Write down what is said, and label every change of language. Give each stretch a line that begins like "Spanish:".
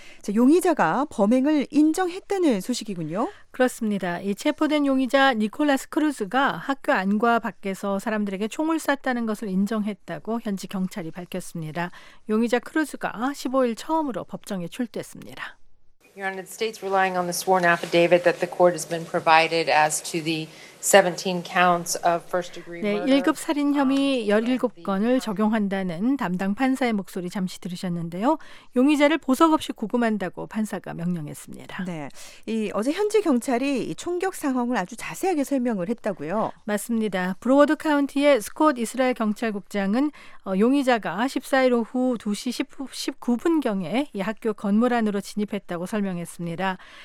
Korean: 자, 용의자가 범행을 인정했다는 소식이군요. 그렇습니다. 이 체포된 용의자 니콜라스 크루즈가 학교 안과 밖에서 사람들에게 총을 쐈다는 것을 인정했다고 현지 경찰이 밝혔습니다. 용의자 크루즈가 15일 처음으로 법정에 출두했습니다.
English: Your Honor, the state's relying on the sworn affidavit that the court has been provided as to the 17 counts of first degree murder.
Korean: 네, 1급 살인 혐의 17건을 적용한다는 담당 판사의 목소리 잠시 들으셨는데요. 용의자를 보석 없이 구금한다고 판사가 명령했습니다. 네, 이 어제 현지 경찰이 총격 상황을 아주 자세하게 설명을 했다고요. 맞습니다. 브로워드 카운티의 스콧 이스라엘 경찰국장은 용의자가 14일 오후 2시 19분경에 이 학교 건물 안으로 진입했다고 설명했습니다.